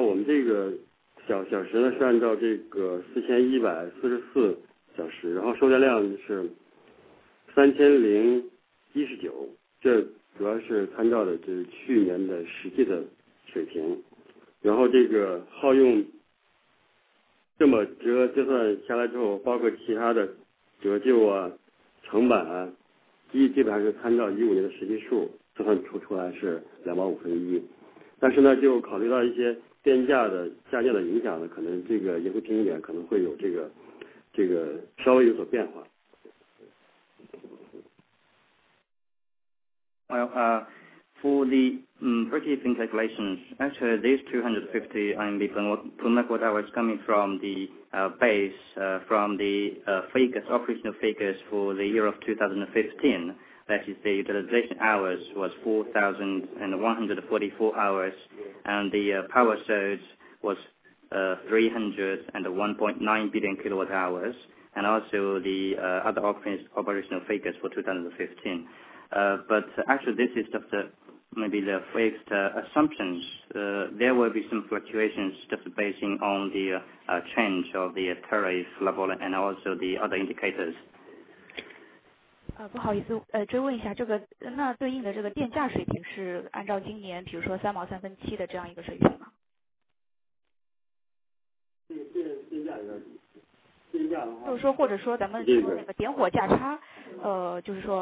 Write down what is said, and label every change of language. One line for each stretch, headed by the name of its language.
Chinese: 我们这个小时呢是按照这个4144小时，然后售价量是3019，这主要是参照的就是去年的实际的水平，然后这个耗用这么折计算下来之后，包括其他的折旧啊、成本啊，基本上是参照15年的实际数，就算出来是2.5分之1。但是呢，就考虑到一些电价的下降的影响呢，可能这个盈亏平衡点可能会有这个稍微有所变化。
English: Well, for the break-even calculations, actually, this 250 RMB per megawatt hour is coming from the base from the figures, operational figures for the year of 2015. That is, the utilization hours was 4,144 hours, and the power surge was 301.9 billion kilowatt hours, and also the other operational figures for 2015. But actually, this is just maybe the fixed assumptions. There will be some fluctuations just basing on the change of the tariff level and also the other indicators.
Chinese: 不好意思，追问一下，这个那对应的这个电价水平是按照今年比如说3.37毛的这样一个水平吗？电价就是说，或者说咱们说那个点火价差，就是说